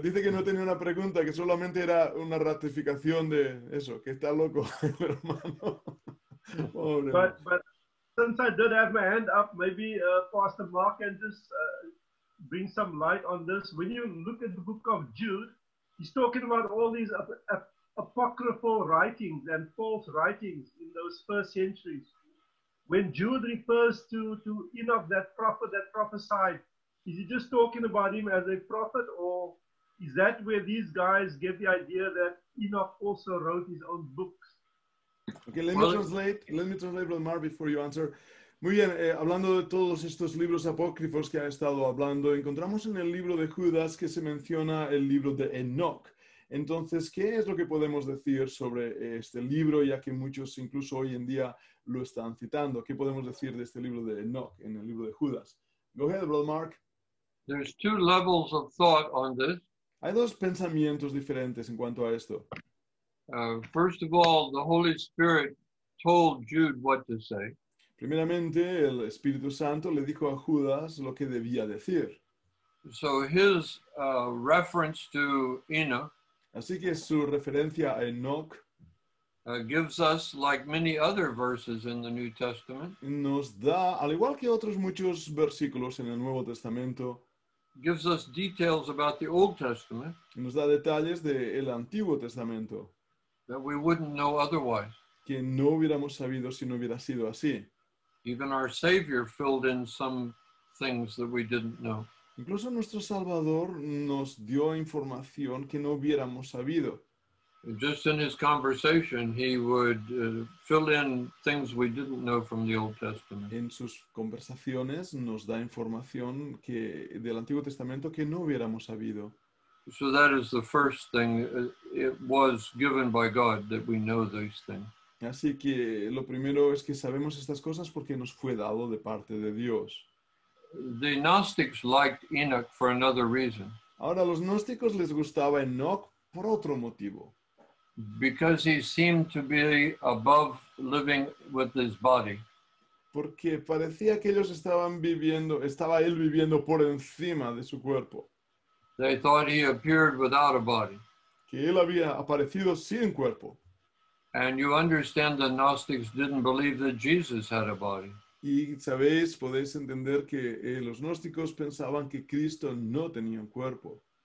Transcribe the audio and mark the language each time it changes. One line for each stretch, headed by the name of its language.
Spanish: Dice que no tenía una pregunta, que solamente era una ratificación de eso, que está loco, hermano. Oh,
English: but since I did have my hand up, maybe Pastor Mark can just bring some light on this. When you look at the book of Jude, he's talking about all these apocryphal writings and false writings in those first centuries. When Jude refers to Enoch, that prophet that prophesied, is he just talking about him as a prophet, or is that where these guys get the idea that Enoch also wrote his own books? Okay, let me translate, Brother Mark, before you answer.
Spanish: Muy bien, hablando de todos estos libros apócrifos que ha estado hablando, encontramos en el libro de Judas que se menciona el libro de Enoch. Entonces, ¿qué es lo que podemos decir sobre este libro, ya que muchos incluso hoy en día lo están citando? ¿Qué podemos decir de este libro de Enoch en el libro de Judas?
English: Go ahead, Brother Mark. There's two levels of thought on this.
Spanish: Hay dos pensamientos diferentes en cuanto a esto.
English: First of all, the Holy Spirit told Jude what to say.
Spanish: Primeramente, el Espíritu Santo le dijo a Judas lo que debía decir.
English: So his reference to Enoch,
Spanish: así que su referencia a Enoch,
English: gives us, like many other verses in the New Testament,
Spanish: nos da, al igual que otros muchos versículos en el Nuevo Testamento,
English: gives us details about the Old Testament,
Spanish: nos da detalles del Antiguo Testamento,
English: that we wouldn't know otherwise,
Spanish: que no hubiéramos sabido si no hubiera sido así.
English: Even our Savior filled in some things that we didn't know.
Spanish: Incluso nuestro Salvador nos dio información que no hubiéramos sabido.
English: Just in his conversation, he would fill in things we didn't know from the Old Testament.
Spanish: En sus conversaciones nos da información que del Antiguo Testamento que no hubiéramos sabido.
English: So that is the first thing. It was given by God that we know these things.
Spanish: Así que lo primero es que sabemos estas cosas porque nos fue dado de parte de Dios.
English: The Gnostics liked Enoch for another reason.
Spanish: Ahora, los gnósticos les gustaba Enoch por otro motivo.
English: Because he seemed to be above living with his body.
Spanish: Porque parecía que ellos estaba él viviendo por encima de su cuerpo.
English: They thought he appeared without a body.
Spanish: Que él había aparecido sin cuerpo.
English: And you understand the Gnostics didn't believe that Jesus had a body.
Spanish: Y sabéis, podéis entender que los gnósticos pensaban que Cristo no tenía un cuerpo.